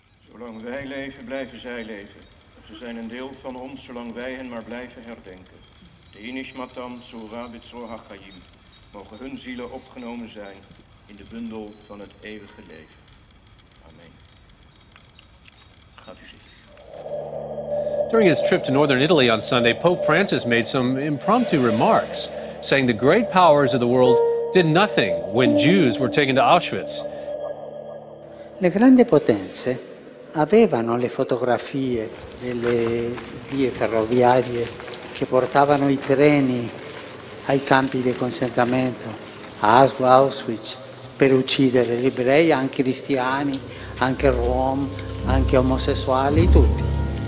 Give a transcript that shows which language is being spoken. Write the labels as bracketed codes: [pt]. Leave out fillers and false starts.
[nl] Zolang wij leven, blijven zij leven. Ze zijn een deel van ons, zolang wij hen maar blijven herdenken. De [he] Inishmatan Tzora Bitzora Chaim. [nl] Mogen hun zielen opgenomen zijn in de bundel van het eeuwige leven. Amen. Gaat u zitten. [en] During his trip to northern Italy on Sunday, Pope Francis made some impromptu remarks, saying the great powers of the world did nothing when Jews were taken to Auschwitz. [it] Le grandi potenze avevano le fotografie delle vie ferroviarie che portavano i treni ai campi di concentramento, a Auschwitz, per uccidere gli ebrei, anche cristiani, anche rom, anche omosessuali, tutti.